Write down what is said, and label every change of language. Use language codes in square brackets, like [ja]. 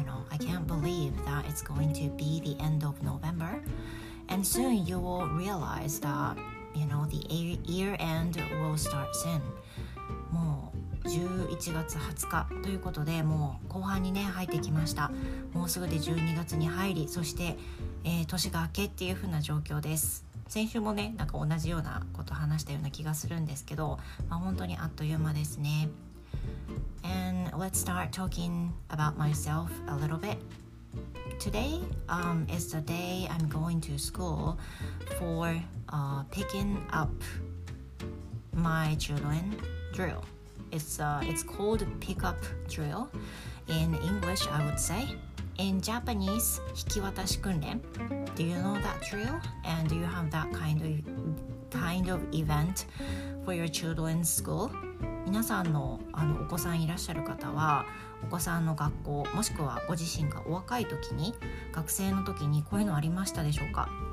[en] I can't believe that it's going to be the end of November. And soon you will realize that, you know, the year end will start soon. [ja] もう11月20日ということで、もう後半にね、入ってきました。もうすぐで12月に入り、そして、年が明けっていう風な状況です。先週もね、なんか同じようなこと話したような気がするんですけど、本当にあっという間ですね。 [en] And let's start talking about myself a little bit. Today, is the day I'm going to school for, picking up my children drill. It's called pick up drill. In English, I would say. In Japanese, 引き渡し訓練。Do you know that drill? And do you have that kind of event for your children's school? [ja] 皆さん のお子さんいらっしゃる方は、お子さんの学校、もしくはご自身がお若い時に、学生の時にこういうのありましたでしょうか？